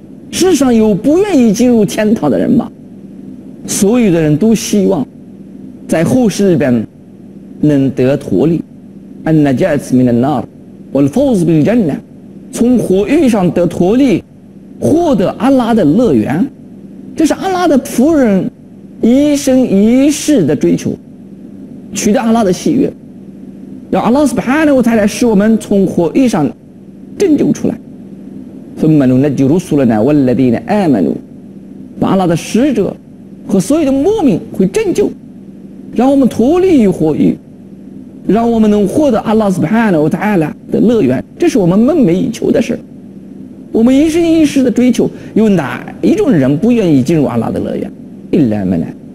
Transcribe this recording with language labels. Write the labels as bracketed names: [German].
[Chinese] 世上有不愿意进入天堂的人吗？所有的人都希望在后世里边能得脱离 [Arabic] النجاة من النار والفوز بالجنة [Chinese] 从火狱上得脱离，获得阿拉的乐园，这是阿拉的仆人一生一世的追求，取得阿拉的喜悦，要阿拉斯帕纳乌塔拉使我们从火狱上拯救出来。 [Arabic] ثم ننجي رسلنا والذين آمنوا [Chinese] 把阿拉的使者和所有的莫名会拯救，让我们脱离于火狱，让我们能获得阿拉斯巴纳和塔阿拉的乐园，这是我们梦寐以求的事。我们一生一世的追求，有哪一种人不愿意进入阿拉的乐园？伊拉们呢？